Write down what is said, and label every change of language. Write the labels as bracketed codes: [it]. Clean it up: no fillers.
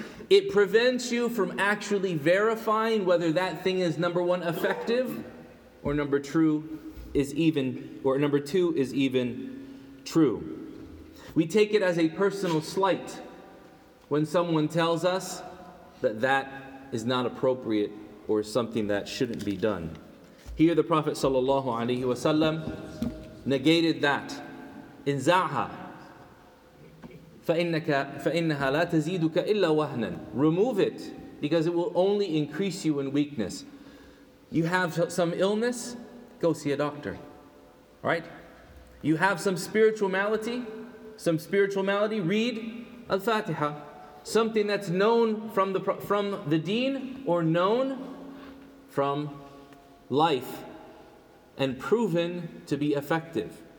[en] It prevents you from actually verifying whether that thing is, number one, effective, or number two is even true. We take it as a personal slight when someone tells us that that is not appropriate or something that shouldn't be done. Here the Prophet [ar] sallallahu alaihi wasallam [en] negated that. [ar] In Zaha, فَإِنَّهَا لَا تَزِيدُكَ إِلَّا وَهْنًا. [en] Remove it, because it will only increase you in weakness. You have some illness, go see a doctor. Right? You have some spiritual malady, read Al-Fatiha. Something that's known from the deen, or known from life, and proven to be effective.